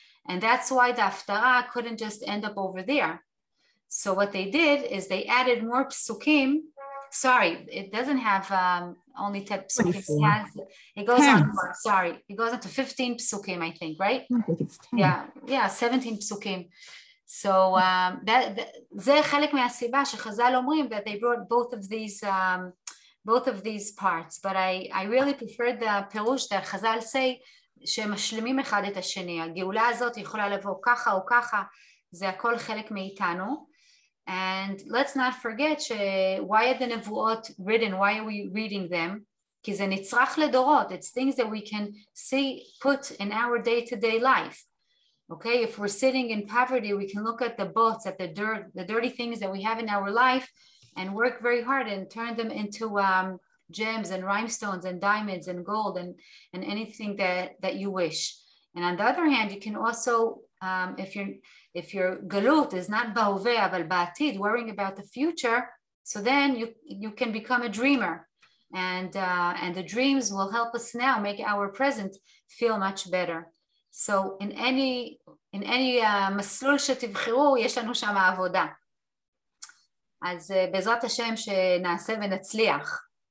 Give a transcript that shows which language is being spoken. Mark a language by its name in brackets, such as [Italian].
[English] And that's why the haftara couldn't just end up over there. So what they did is they added more psukim. Sorry, it doesn't have only 10 psukim. It goes on to 15 psukim, I think, right? I think it's 10. Yeah, 17 psukim. So [Hebrew] זה חלק מהסיבה שחזל אומרים [English] that they brought both of these parts. But I really preferred the pirush that [Hebrew] חזל say שהם משלימים אחד את השני. הגאולה הזאת יכולה לבוא ככה או ככה, זה הכל חלק מאיתנו. [English] And let's not forget why are the nevuot written? Why are we reading them? Because it's nitzrach ledorot. It's things that we can see put in our day-to-day life. Okay, if we're sitting in poverty, we can look at the bots, at the dirt, the dirty things that we have in our life, and work very hard and turn them into gems and rhinestones and diamonds and gold and anything that you wish. And on the other hand, you can also, if your galut is not [Hebrew] bahuveh aval ba'atid, [English] worrying about the future, so then you can become a dreamer. And the dreams will help us now make our present feel much better. [Hebrew] So in any מסלול שתבחרו, יש לנו שם עבודה. אז בעזרת השם שנעשה ונצליח.